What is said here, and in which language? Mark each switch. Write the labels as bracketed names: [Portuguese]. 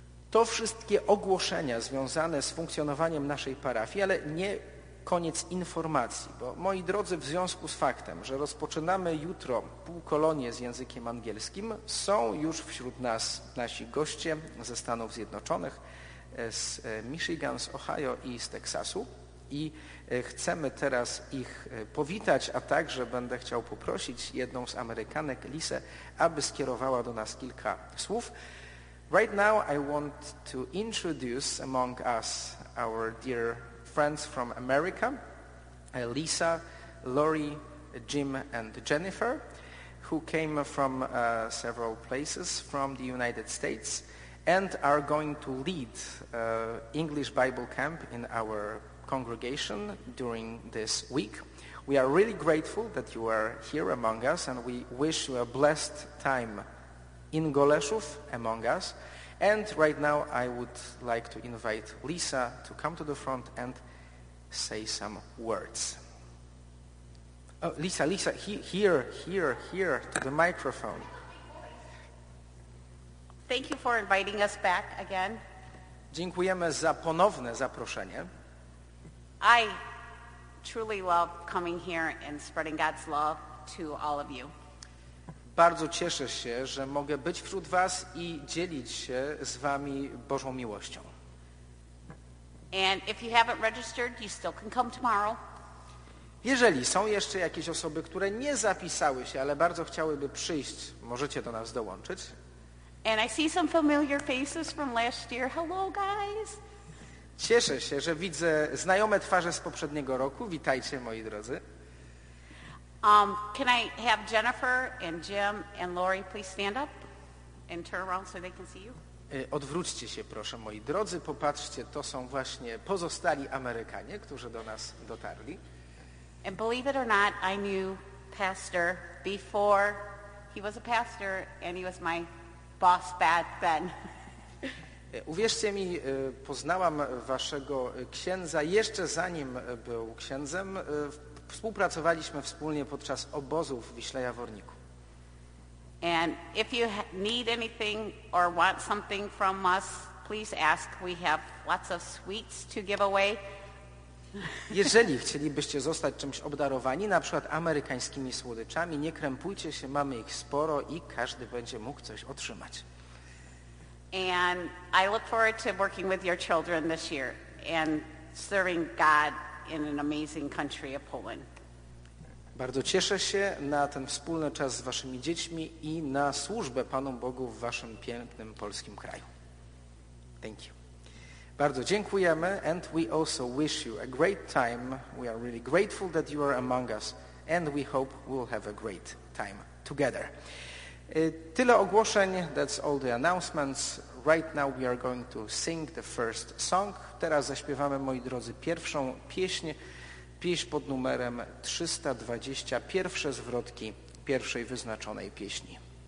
[Polish] To wszystkie ogłoszenia związane z funkcjonowaniem naszej parafii, ale nie koniec informacji, bo moi drodzy, w związku z faktem, że rozpoczynamy jutro półkolonie z językiem angielskim, są już wśród nas nasi goście ze Stanów Zjednoczonych, z Michigan, z Ohio i z Teksasu. I chcemy teraz ich powitać, a także będę chciał poprosić jedną z Amerykanek, Lisę, aby skierowała do nas kilka słów. [English] Right now I want to introduce among us our dear friends from America, Lisa, Lori, Jim and Jennifer, who came from several places from the United States and are going to lead English Bible Camp in our congregation during this week. We are really grateful that you are here among us and we wish you a blessed time in Goleszów among us. And right now I would like to invite Lisa to come to the front and say some words. Oh, Lisa, here to the microphone. Thank you for inviting us back again. [Polish] Dziękujemy za ponowne zaproszenie. [English] I truly love coming here and spreading God's love to all of you. [Polish] Bardzo cieszę się, że mogę być wśród was i dzielić się z wami Bożą miłością. [English] And if you haven't registered, you still can come tomorrow. [Polish] Jeżeli są jeszcze jakieś osoby, które nie zapisały się, ale bardzo chciałyby przyjść, możecie do nas dołączyć. [English] And I see some familiar faces from last year. Hello, guys. [Polish] Cieszę się, że widzę znajome twarze z poprzedniego roku. Witajcie, moi drodzy. [English] Can I have Jennifer and Jim and Lori please stand up and turn around so they can see you? [Polish] Odwróćcie się, proszę, moi drodzy. Popatrzcie, to są właśnie pozostali Amerykanie, którzy do nas dotarli. [English] And believe it or not, I knew Pastor before he was a pastor and he was my boss back then. [Polish] Uwierzcie mi, poznałam waszego księdza jeszcze zanim był księdzem. Współpracowaliśmy wspólnie podczas obozów w Wiśle Jaworniku. [English] And if you need anything or want something from us, please ask. We have lots of sweets to give away. [Polish] Jeżeli chcielibyście zostać czymś obdarowani, na przykład amerykańskimi słodyczami, nie krępujcie się, mamy ich sporo i każdy będzie mógł coś otrzymać. [English] And I look forward to working with your children this year and serving God in an amazing country of Poland. [Polish] Bardzo cieszę się na ten wspólny czas z waszymi dziećmi i na służbę Panu Bogu w waszym pięknym polskim kraju. [English] Thank you. [Polish] Bardzo dziękujemy, [English] and we also wish you a great time. We are really grateful that you are among us, and we hope we'll have a great time together. [Polish] Tyle ogłoszeń, [English] that's all the announcements. Right now we are going to sing the first song. [Polish] Teraz zaśpiewamy, moi drodzy, pierwszą pieśń, pieśń pod numerem 320, pierwsze zwrotki pierwszej wyznaczonej pieśni.